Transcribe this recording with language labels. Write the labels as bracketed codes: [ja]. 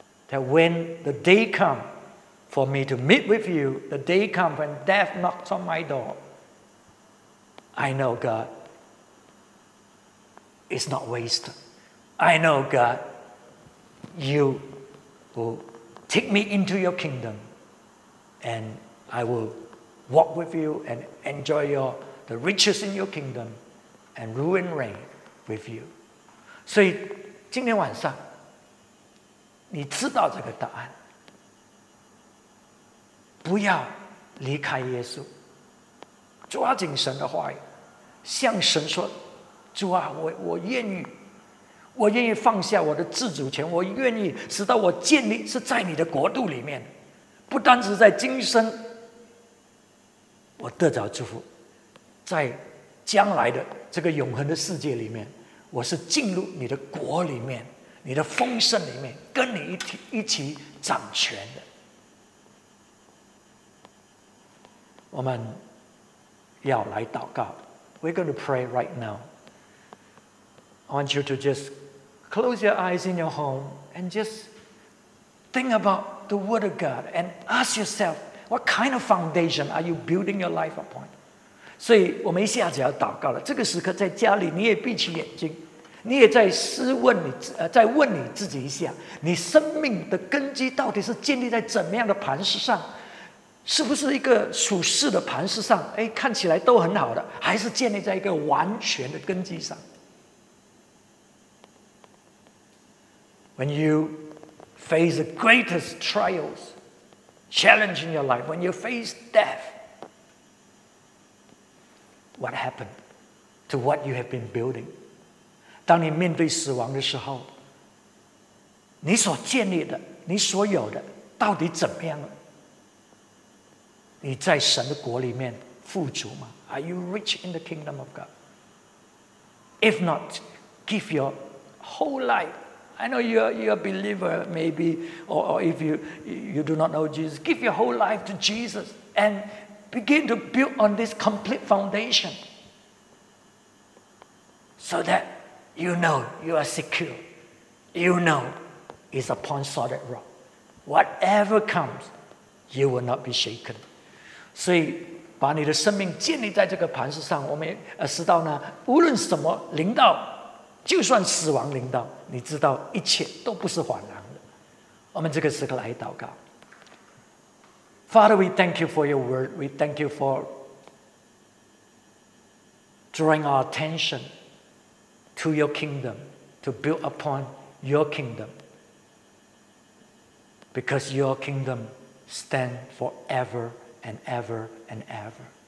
[en] that when the day come for me to meet with you, the day come when death knocks on my door, I know, God, it's not wasted. I know, God, you will take me into your kingdom, and I will walk with you and enjoy the riches in your kingdom and rule and reign with you. [zh] 所以今天晚上, 你知道这个答案, 不要离开耶稣, 抓紧神的话语, 向神说, 主啊, 我愿意, 我愿意放下我的自主权, 我愿意使到我建立是在你的国度里面, 不单只在今生, 我得着祝福, 在将来的这个永恒的世界里面, 我是进入你的国里面, 你的丰盛里面, 跟你一起掌权的。我们要来祷告, [en] We're going to pray right now. I want you to just close your eyes in your home and just think about the Word of God and ask yourself, what kind of foundation are you building your life upon? [zh] 所以我们一下子要祷告了, 这个时刻在家里, 你也闭起眼睛, 你也在思问你, 再问你自己一下, 你生命的根基到底是建立在怎么样的磐石上, 是不是一个属世的磐石上, 诶, 看起来都很好的, 还是建立在一个完全的根基上? [en] When you face the greatest trials, challenge in your life, when you face death, what happened to what you have been building? [zh] 当你面对死亡的时候, 你所建立的, 你所有的, 到底怎么样了? 你在神的国里面富足吗? [en] Are you rich in the kingdom of God? If not, give your whole life. I know you're a believer, maybe, or if you do not know Jesus, give your whole life to Jesus and begin to build on this complete foundation so that you know you are secure. You know it's upon solid rock. Whatever comes, you will not be shaken. [zh] 所以把你的生命建立在这个磐石上, 我们也知道呢, 无论什么临到, 就算死亡临到, 你知道一切都不是枉然的。我们这个时刻来祷告。 [en] Father, we thank you for your word. We thank you for drawing our attention to your kingdom, to build upon your kingdom. Because your kingdom stands forever and ever and ever.